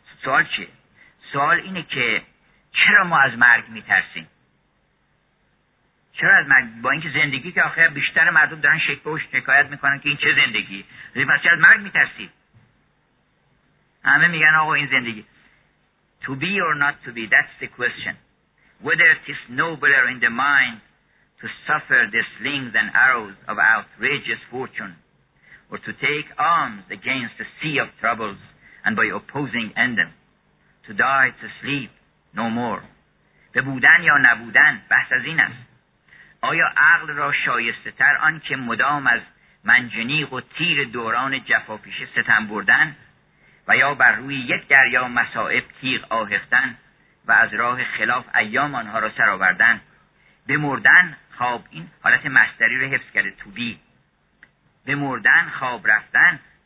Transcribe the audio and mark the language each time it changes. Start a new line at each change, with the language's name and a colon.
Persian: سوال چیه؟ سوال اینه که چرا ما از مرگ میترسیم؟ چرا از مرگ؟ با اینکه زندگی که آخر بیشتر مردم دارن شکایت میکنن که این چه زندگی؟ پس چرا از مرگ میترسیم؟ همه میگن آقا این زندگی.
English: To be or not to be, that's the question. Whether it is nobler in the mind to suffer the slings and arrows of outrageous fortune, or to take arms against the sea of troubles and by opposing end them, to die to sleep no more.
Persian: به بودن یا نبودن بحث از این است. آیا عقل را شایسته تر آن که مدام از منجنیق و تیر دوران جفاپیشه ستم بردن، و یا بر روی یک دریا مصائب تیغ آهختن و از راه خلاف ایام آنها را سرآوردن؟ بمردن خواب، این حالت مصدری رو حفظ کرده، توبی، بمردن خواب رفتن